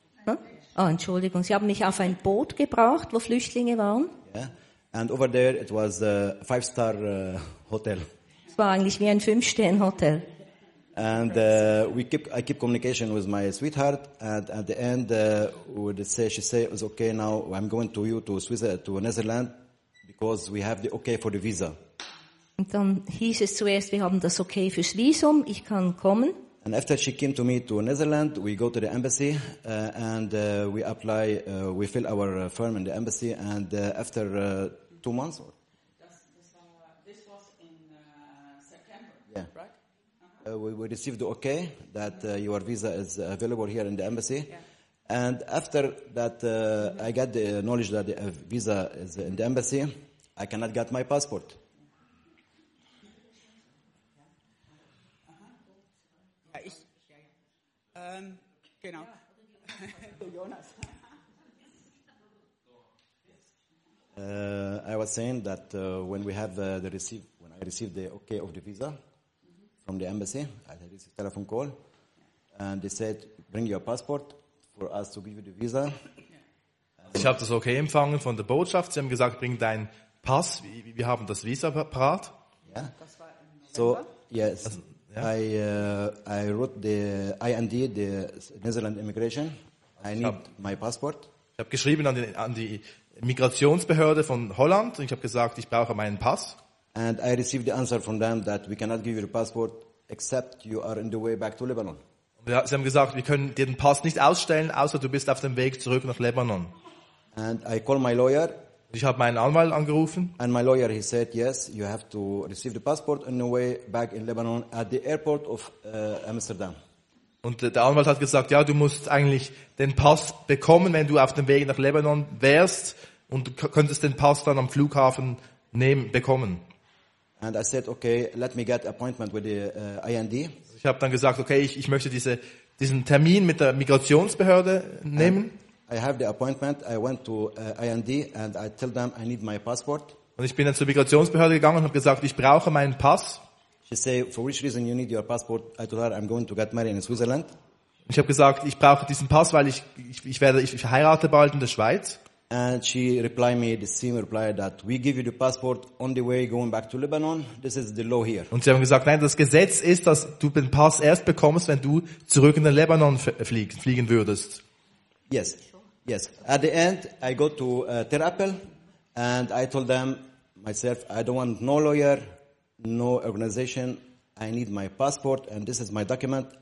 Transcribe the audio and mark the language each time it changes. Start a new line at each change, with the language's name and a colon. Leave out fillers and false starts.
German: Huh? Oh, Entschuldigung, sie haben mich auf ein Boot gebracht, wo Flüchtlinge waren.
English: Yeah. And over there, it was a 5-star hotel.
German: Es war eigentlich wie ein 5-Sterne-Hotel.
English: And I keep communication with my sweetheart, and at the end, she says, okay, now I'm going to you to Switzerland, to Netherlands, because we have the okay for the visa.
German: Und dann hieß es zuerst, wir haben das okay fürs Visum, ich kann kommen.
English: And after she came to me to Netherlands, we go to the embassy, and we apply, we fill our form in the embassy, and after 2 months. This was in September, yeah. Right? We received the okay that your visa is available here in the embassy. Yeah. And after that, I got the knowledge that the visa is in the embassy, I cannot get my passport.
German: Genau. Jonas.
English: I was saying that when we have when I received the okay of the visa from the embassy, I had this telephone call, and they said, bring your passport for us to give you the visa.
German: Ich habe das okay empfangen von der Botschaft. Sie haben gesagt, bring deinen Pass, wir haben das Visa parat.
English: Yeah. So, yes. I wrote the IND, the Netherlands Immigration. I need my passport.
German: Ich habe geschrieben an die Migrationsbehörde von Holland, und ich habe gesagt, ich brauche meinen Pass.
English: And I received the answer from them that we cannot give you the passport except you are in the way back to Lebanon.
German: Ja, sie haben gesagt, wir können dir den Pass nicht ausstellen, außer du bist auf dem Weg zurück nach Lebanon.
English: And I called my lawyer.
German: Ich habe meinen Anwalt angerufen.
English: And my lawyer, he said, yes, you have to receive the passport on the way back in Lebanon at the airport of Amsterdam.
German: Und der Anwalt hat gesagt, ja, du musst eigentlich den Pass bekommen, wenn du auf dem Weg nach Lebanon wärst, und du könntest den Pass dann am Flughafen bekommen.
English: And I said, okay, let me get appointment with the IND.
German: Ich habe dann gesagt, okay, ich möchte diesen Termin mit der Migrationsbehörde nehmen.
English: I have the appointment. I went to IND and I tell them I need my passport.
German: Und ich bin dann zur Migrationsbehörde gegangen und habe gesagt, ich brauche meinen Pass.
English: She say, for which reason you need your passport? I told her I'm going to get married in Switzerland.
German: Ich habe gesagt, ich brauche diesen Pass, weil ich heirate bald in der Schweiz.
English: And she replied me the same reply that we give you the passport on the way going back to Lebanon. This is the law here.
German: Und sie haben gesagt, nein, das Gesetz ist, dass du den Pass erst bekommst, wenn du zurück in den Lebanon fliegen würdest.
English: Yes. Yes. At the end, I go to Tel Apel, and I told them myself, I don't want no lawyer, no organization. I need my passport, and this is my document.